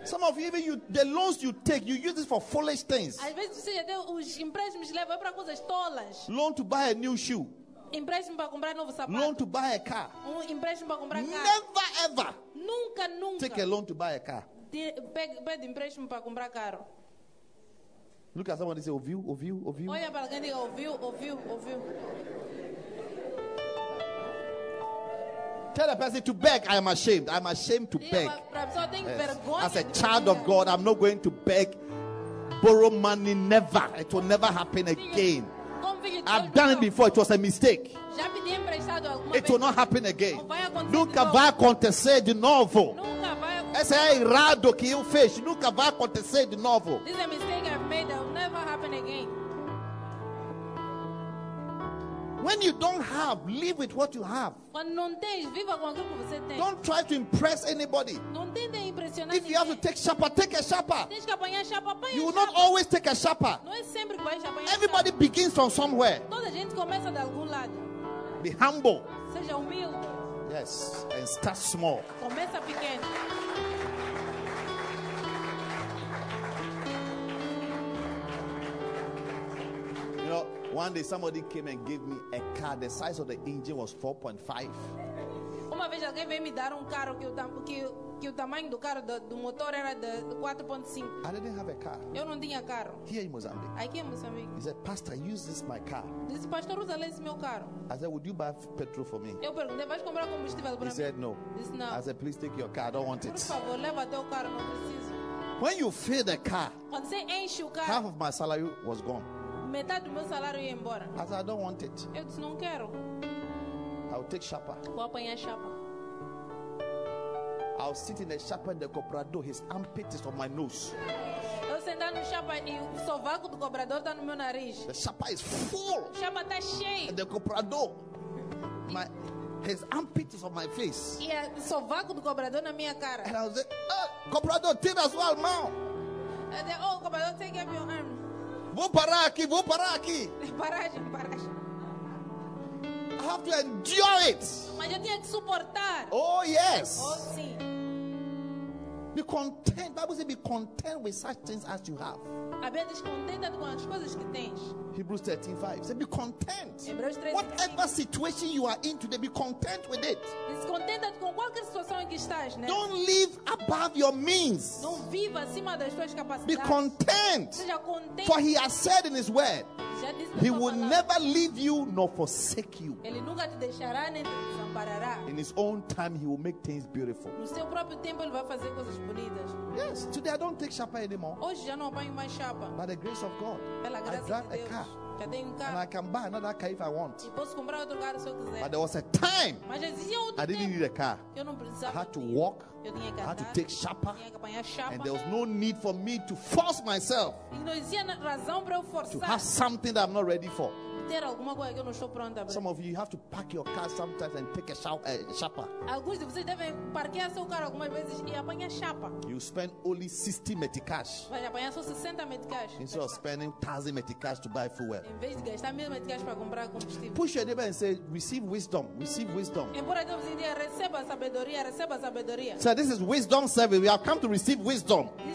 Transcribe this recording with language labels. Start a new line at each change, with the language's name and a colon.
English: Some of you, even you, the loans you take, you use it for foolish things.
Portuguese: Às vezes você já deu os empréstimos leva para coisas tolas.
English: Loan to buy a new shoe.
Portuguese: Empréstimo para comprar novo sapato.
English: Loan to buy a car.
Portuguese: Empréstimo para comprar carro.
English: Never ever.
Portuguese: Nunca, nunca.
English: Take a loan to buy a car.
Portuguese: Pede empréstimo para comprar carro.
English: Look at someone and say,
Portuguese: ouviu, ouviu, ouviu. Olha para alguém e diga, ouviu, ouviu, ouviu.
English: Tell a person to beg. I am ashamed. I am ashamed to beg. Yes. As a child of God, I'm not going to beg, borrow money. Never. It will never happen again. I've done it before. It was a mistake. It will not happen again.
Portuguese: Nunca vai acontecer de novo. Essa é errado que eu fiz. Nunca vai acontecer de novo.
English: This is a mistake I've made that will never happen again. When you don't have, live with what you have.
Portuguese: Quando não tens, viva com aquilo que você tem.
English: Don't try to impress anybody.
Portuguese: Não tente impressionar ninguém.
English: If you have to take chapa, take a chapa.
Portuguese: Tens que apanhar chapa, apanha.
English: You will not always take a chapa.
Portuguese: Não é sempre que vais apanhar.
English: Everybody begins from somewhere.
Portuguese: Toda gente começa de algum lado.
English: Be humble.
Portuguese: Seja humilde.
English: Yes, and start small.
Portuguese: Começa pequeno.
English: You know, one day somebody came and gave me a car. The size of the engine was 4.5.
Portuguese: Uma vez alguém veio me dar um carro que o tamanho do carro do motor era de 4.5.
English: I didn't have a car.
Portuguese: Eu não tinha carro.
English: Here in Mozambique.
Portuguese: Aqui em Moçambique.
English: He said, "Pastor, use this my car."
Portuguese: Disse, pastor, usa esse meu carro.
English: I said, "Would you buy petrol for me?"
Portuguese: Eu perguntei, vais comprar combustível para mim?
English: He said, "No."
Portuguese: Disse, não.
English: I said, "Please take your car. I don't want it."
Portuguese: Por favor, leva teu carro, não preciso.
English: When you fill the car,
Portuguese: quando você enche o carro,
English: half of my salary was gone.
Portuguese: Metade do meu salário ia embora.
English: I said, "I don't want it."
Portuguese: Eu disse, não quero.
English: I'll take chapa.
Portuguese: Vou apanhar chapa.
English: I'll sit in the chapa and the cobrador, his armpit is on my nose.
Portuguese: Eu sentar no chapa e o sovaco do cobrador está no meu nariz.
English: The chapa is full.
Portuguese: O chapa está cheio.
English: And the cobrador, his armpit is on my face.
Portuguese: E o sovaco do cobrador na minha cara.
English: And I was like, cobrador,
Portuguese: tira
English: as well, mão. Oh, cobrador, take up your arm.
Portuguese: Vou parar aqui, vou parar aqui. Paragem, paragem.
English: I have to endure it.
Portuguese: Mas eu tinha que suportar.
English: Oh yes.
Portuguese: Oh sim.
English: Be content. Bible says, "Be content with such things as you have."
Portuguese: A Bíblia diz, contenta com as coisas que tens.
English: Hebrews 13:5 says, "Be content."
Portuguese: Hebreus 13,
English: whatever situation you are in today, be content with it.
Portuguese: Descontenta com qualquer situação em que estás, né?
English: Don't live above your means.
Portuguese: Não viva acima das tuas capacidades.
English: Be content.
Portuguese: Seja contente.
English: For He has said in His word, He will never leave you nor forsake you.
Portuguese: Ele nunca te deixará nem te desamparará.
English: In His own time, He will make things beautiful.
Portuguese: No seu próprio tempo, Ele vai fazer coisas bonitas.
English: Yes, today I don't take chapa anymore.
Portuguese: Hoje já não apanho mais chapa.
English: By the grace of God,
Portuguese: pela graça de Deus,
English: I drive a car.
Portuguese: Já tenho um carro.
English: And I can buy another car if I want.
Portuguese: E posso comprar outro carro se eu quiser.
English: But there was a time,
Portuguese: mas existia outro
English: I didn't
Portuguese: tempo.
English: Need a car.
Portuguese: Eu não precisava.
English: I had to walk.
Portuguese: Eu tinha que andar.
English: I had to take chapa.
Portuguese: Tinha que apanhar chapa.
English: And there was no need for me to force myself.
Portuguese: E não existia razão para eu forçar.
English: To have something that I'm not ready for.
Portuguese: Ter alguma coisa que eu não estou pronta para.
English: Some of you have to park your car sometimes and take a chapa.
Portuguese: Alguns de vocês devem parquear seu carro algumas vezes e apanhar chapa.
English: You spend only 60 meticais.
Portuguese: Vai apanhar só 60 meticais.
English: Instead of spending 1,000 meticais to buy fuel.
Portuguese: Em vez de gastar 1,000 meticais para comprar combustível.
English: Push your neighbor and say, "Receive wisdom, receive wisdom."
Portuguese: Embora Deus você diga, receba sabedoria, receba sabedoria.
English: So this is wisdom service. We have come to receive wisdom.